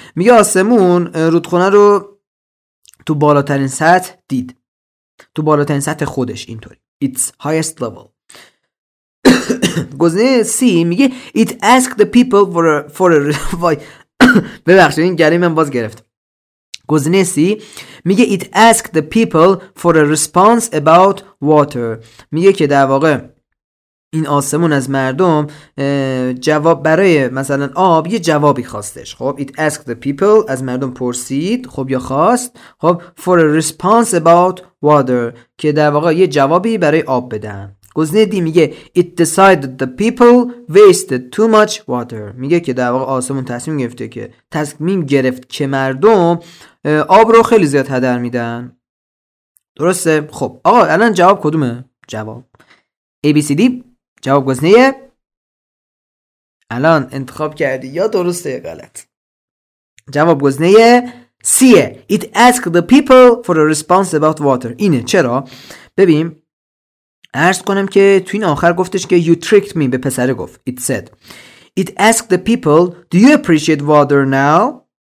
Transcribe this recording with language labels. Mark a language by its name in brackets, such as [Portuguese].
[Persian] میگه آسمون رودخونه رو تو بالاترین سطح دید، تو بالاترین سطح خودش اینطوری. [English] its highest level. [Persian] گزینه C میگه [English] it asked the people for a [Persian] ببخشید این گلی من باز گرفت. گزینه C میگه [English] it asked the people for a response about water. [Persian] میگه که در واقع این آسمون از مردم جواب برای مثلا آب یه جوابی خواستش. خب [English] it asked the people [Persian] از مردم پرسید خب یا خواست خب [English] for a response about water [Persian] که در واقع یه جوابی برای آب بدن. گزینه D میگه [English] it decided the people wasted too much water. [Persian] میگه که در واقع آسمون تصمیم گرفت که مردم آب رو خیلی زیاد هدر میدن. درسته؟ خب آقا الان جواب کدومه؟ جواب A B C D. جواب گزینه الان انتخاب کردی یا درسته یا غلط. جواب گزینه C. [English] it asked the people for a response about water. [Persian] اینه. چرا؟ ببین عرض کنم که تو این آخر گفتش که [English] you tricked me. [Persian] به پسره گفت [English] it said it asked the people do you appreciate water now.